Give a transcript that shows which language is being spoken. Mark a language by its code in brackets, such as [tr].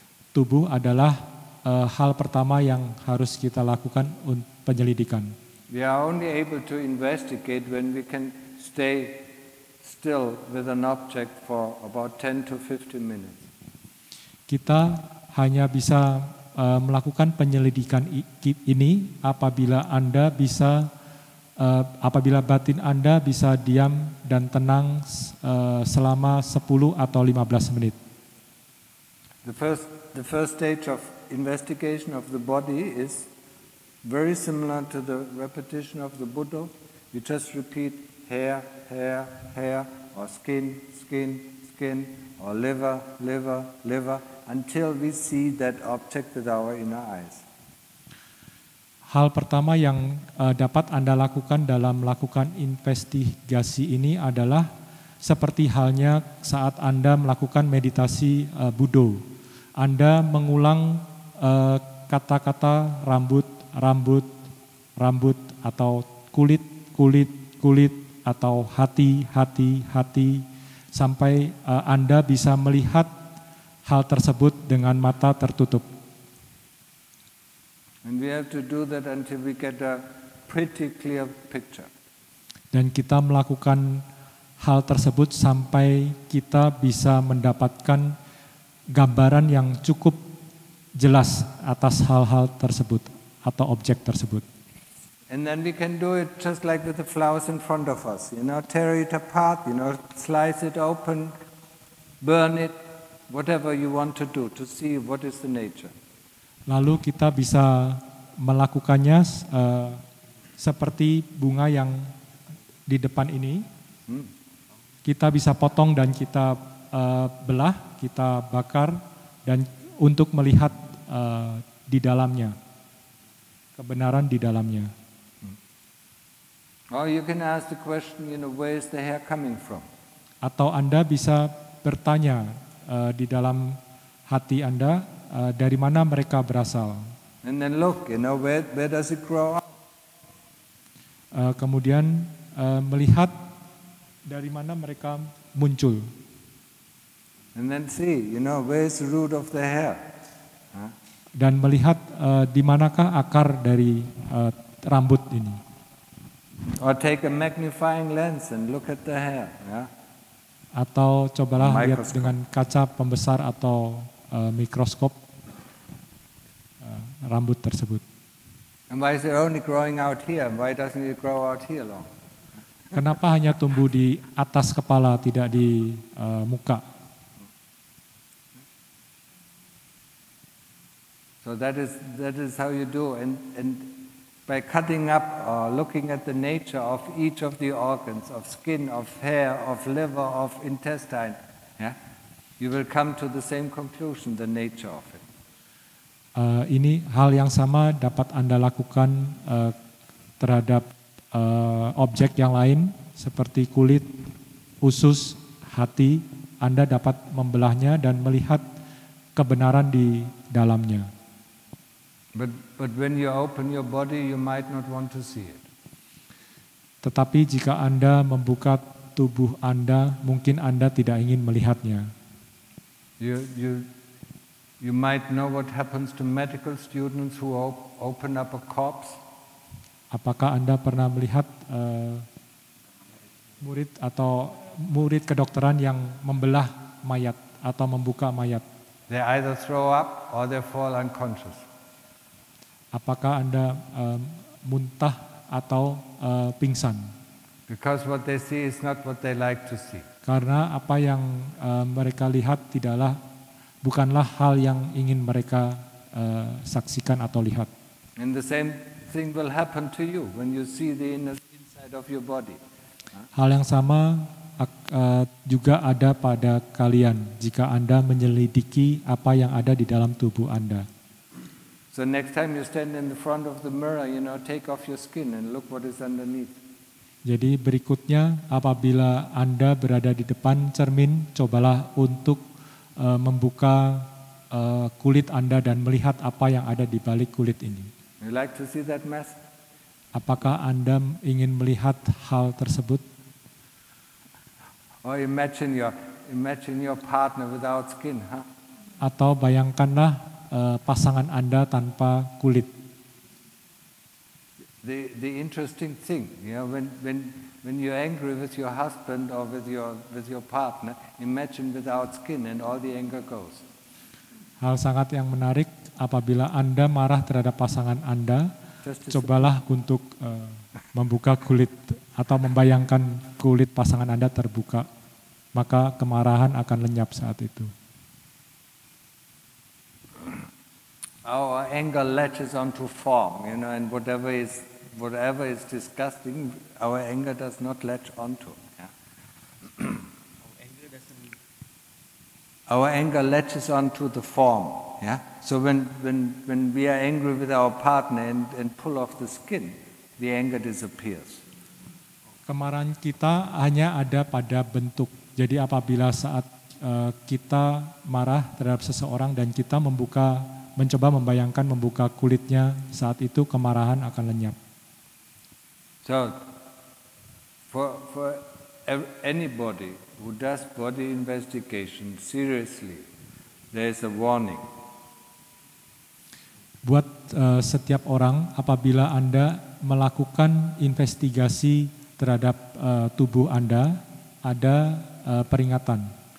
[id] Tubuh adalah hal pertama yang harus kita lakukan untuk penyelidikan. [en] We are only able to investigate when we can stay still with an object for about 10 to 15 minutes. [id] Kita hanya bisa melakukan penyelidikan ini apabila Anda bisa apabila batin Anda bisa diam dan tenang selama 10 atau 15 menit. [en] The first stage of investigation of the body is very similar to the repetition of the Buddha. You just repeat hair, hair, hair, or skin, skin, skin, or liver, liver, liver, until we see that object with our inner eyes. [id] Hal pertama yang dapat Anda lakukan dalam melakukan investigasi ini adalah seperti halnya saat Anda melakukan meditasi Buddha. Anda mengulang kata-kata rambut, rambut, rambut, atau kulit, kulit, kulit, atau hati, hati, hati, sampai Anda bisa melihat hal tersebut dengan mata tertutup. [en] And we have to do that until we get a pretty clear picture. [id] Dan kita melakukan hal tersebut sampai kita bisa mendapatkan gambaran yang cukup jelas atas hal-hal tersebut atau objek tersebut. [en] And then we can do it just like with the flowers in front of us, you know, tear it apart, you know, slice it open, burn it, whatever you want to do to see what is the nature. [id] Lalu kita bisa melakukannya seperti bunga yang di depan ini. Kita bisa potong dan kita belah, kita bakar dan untuk melihat di dalamnya, kebenaran di dalamnya. [en] Oh, you can ask the question, you know, where is the hair coming from? [id] Atau Anda bisa bertanya di dalam hati Anda, dari mana mereka berasal? [en] And then look, you know, where does it grow up? [id] Kemudian melihat dari mana mereka muncul. [en] And then see, you know, where is the root of the hair? Huh? [id] Dan melihat di manakah akar dari rambut ini? [en] Or take a magnifying lens and look at the hair. Yeah? [id] Atau cobalah lihat dengan kaca pembesar atau mikroskop. Rambut tersebut. [en] And why is it only growing out here? Why doesn't it grow out here long? [id] Kenapa hanya tumbuh di atas kepala, tidak di muka? [en] So that is how you do, and by cutting up or looking at the nature of each of the organs, of skin, of hair, of liver, of intestine, yeah, you will come to the same conclusion, the nature of it. [id] Ini hal yang sama dapat Anda lakukan terhadap objek yang lain seperti kulit, usus, hati. Anda dapat membelahnya dan melihat kebenaran di dalamnya. [en] But when you open your body, you might not want to see it. [id] Tetapi jika Anda membuka tubuh Anda, mungkin Anda tidak ingin melihatnya. [en] You might know what happens to medical students who open up a corpse. [id] Apakah Anda pernah melihat murid atau murid kedokteran yang membelah mayat atau membuka mayat? [en] They either throw up or they fall unconscious. [id] Apakah Anda muntah atau pingsan? [en] Because what they see is not what they like to see. [id] Karena apa yang mereka lihat tidaklah bukanlah hal yang ingin mereka saksikan atau lihat. [en] And the same thing will happen to you when you see the inside of your body. [id] Hal yang sama juga ada pada kalian jika Anda menyelidiki apa yang ada di dalam tubuh Anda. [en] So next time you stand in the front of the mirror, you know, take off your skin and look what is underneath. [id] Jadi berikutnya apabila Anda berada di depan cermin, cobalah untuk membuka kulit Anda dan melihat apa yang ada di balik kulit ini. [en] You like to see that mess? [id] Apakah Anda ingin melihat hal tersebut? [en] Or imagine your partner without skin, huh? [id] Atau bayangkanlah pasangan Anda tanpa kulit. [en] The interesting thing, you know, when you're angry with your husband or with your partner, imagine without skin and all the anger goes. [id] Hal sangat yang menarik apabila Anda marah terhadap pasangan Anda, cobalah untuk membuka kulit atau membayangkan kulit pasangan Anda terbuka, maka kemarahan akan lenyap saat itu. [en] Our anger latches onto form, you know, and whatever is disgusting, our anger does not latch onto. Our anger latches onto the form. Yeah. So when we are angry with our partner and pull off the skin, the anger disappears. [id] Kemarahan kita hanya ada pada bentuk. Jadi apabila saat kita marah terhadap seseorang dan kita mencoba membayangkan membuka kulitnya, saat itu kemarahan akan lenyap. [en] So for anybody who does body investigation seriously, there is a warning. [id] Buat setiap orang, apabila Anda melakukan investigasi terhadap tubuh Anda, ada peringatan.